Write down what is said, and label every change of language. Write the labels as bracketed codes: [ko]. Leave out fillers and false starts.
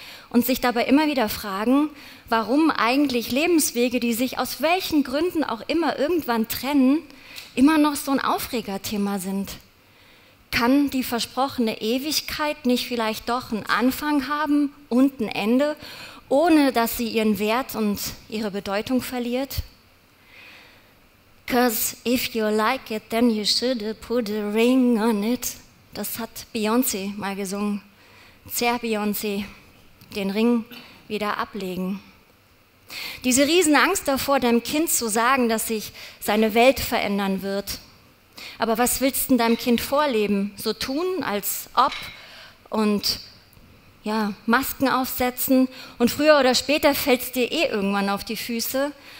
[de] Und sich dabei immer wieder fragen, warum eigentlich Lebenswege, die sich aus welchen Gründen auch immer irgendwann trennen, immer noch so ein Aufregerthema sind. Kann die versprochene Ewigkeit nicht vielleicht doch einen Anfang haben und ein Ende, ohne dass sie ihren Wert und ihre Bedeutung verliert? [en] 'Cause if you like it, then you should put a ring on it. [de] Das hat Beyoncé mal gesungen. Zerr Beyoncé, den Ring wieder ablegen. Diese Riesenangst davor, deinem Kind zu sagen, dass sich seine Welt verändern wird. Aber was willst du denn deinem Kind vorleben? So tun, als ob, und ja, Masken aufsetzen, und früher oder später fällt es dir eh irgendwann auf die Füße?